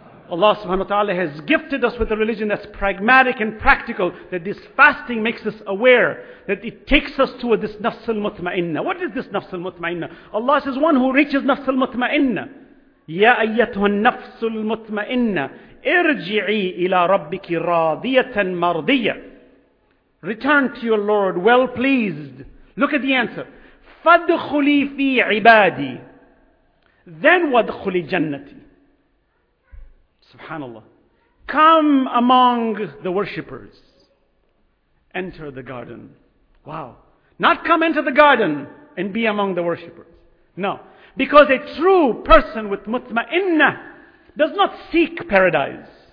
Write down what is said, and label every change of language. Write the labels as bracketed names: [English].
[English] Allah subhanahu wa ta'ala has gifted us with a religion that's pragmatic and practical, that this fasting makes us aware, that it takes us toward this nafs al-mutma'inna. What is this nafs al-mutma'inna? Allah says, one who reaches nafs al-mutma'inna, [Arabic] يَا أَيَّتُهَا النَّفْسُ الْمُطْمَئِنَّ اِرْجِعِي إِلَىٰ رَبِّكِ رَاضِيَةً مَرْضِيَةً [English] Return to your Lord, well pleased. Look at the answer. [Arabic] فَدْخُلِي فِي عِبَادِي [English] Then [Arabic] وَدْخُلِي جَنَّتِي Subhanallah. [English] Come among the worshippers. Enter the garden. Wow. Not come into the garden and be among the worshippers. No. Because a true person with mutma'innah does not seek paradise.